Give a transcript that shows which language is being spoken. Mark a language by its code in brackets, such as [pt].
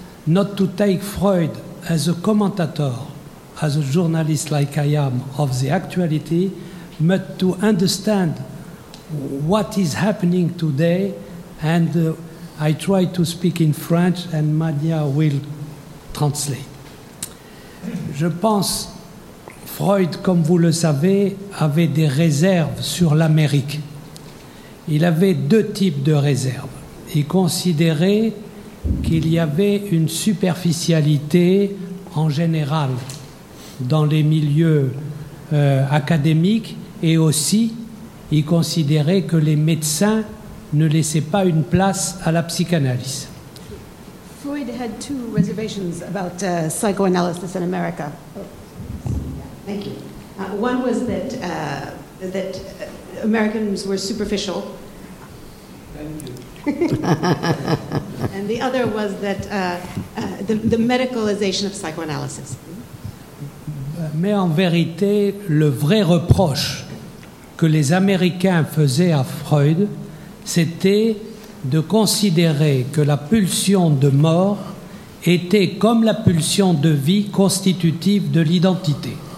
[en] not to take Freud as a commentator, as a journalist like I am, of the actuality, but to understand what is happening today. And I try to speak in French, and Madia will translate. [fr] Je pense, Freud, comme vous le savez, avait des réserves sur l'Amérique. Il avait deux types de réserves. Il considérait qu'il y avait une superficialité en général dans les milieux académiques, et aussi il considérait que les médecins ne laissaient pas une place à la psychanalyse. [en] Freud had two reservations about psychoanalysis in America. Thank you. One was that that Americans were superficial. Thank you. And the other was that the medicalization of psychoanalysis. [fr] Mais en vérité, le vrai reproche que les Américains faisaient à Freud, c'était de considérer que la pulsion de mort était comme la pulsion de vie constitutive de l'identité.